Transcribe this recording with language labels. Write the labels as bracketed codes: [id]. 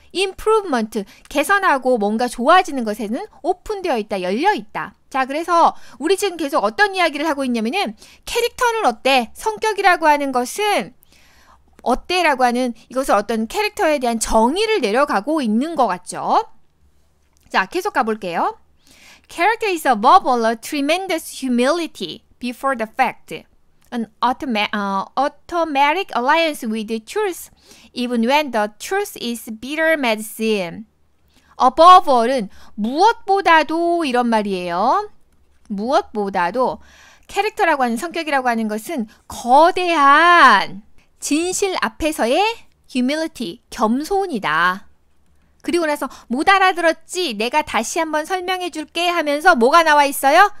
[ko] improvement, 개선하고 뭔가 좋아지는 것에는 오픈되어 있다, 열려있다. 자, 그래서 우리 지금 계속 어떤 이야기를 하고 있냐면은 캐릭터는 어때? 성격이라고 하는 것은 어때? 라고 하는 이것을 어떤 캐릭터에 대한 정의를 내려가고 있는 것 같죠? 자, 계속 가볼게요. [en] Character is above all a tremendous humility before the fact. An automatic alliance with the truth, even when the truth is bitter medicine. Above all [ko] 은 무엇보다도 이런 말이에요. 무엇보다도 캐릭터라고 하는 성격이라고 하는 것은 거대한 진실 앞에서의 humility, 겸손이다. 그리고 나서 못 알아들었지, 내가 다시 한번 설명해 줄게 하면서 뭐가 나와 있어요?